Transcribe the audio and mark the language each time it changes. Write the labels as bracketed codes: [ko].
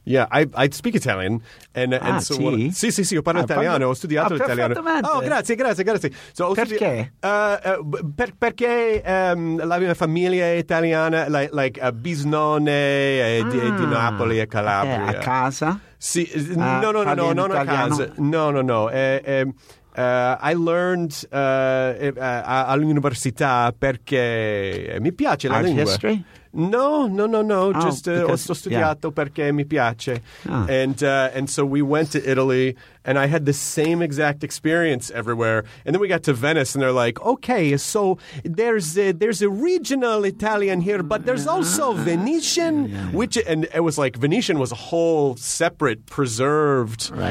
[en] Yeah, I speak Italian, and so [it] sì, io parlo italiano, ho studiato italiano. Oh, grazie. So perché? Perché la mia famiglia è italiana, [en] like [it] bisnonne di Napoli e Calabria. Okay. A casa? Sì, no, non a casa. No. [en] I learned [it] all'università perché mi piace la [en] art [it] lingua. [en] History? No. Oh, just [it] ho studiato perché mi piace. [en] Oh. And so we went to Italy, and I had the same exact experience everywhere. And then we got to Venice, and they're like, okay, so there's a regional Italian here, but there's also Venetian, which – and it was like Venetian was a whole separate, preserved –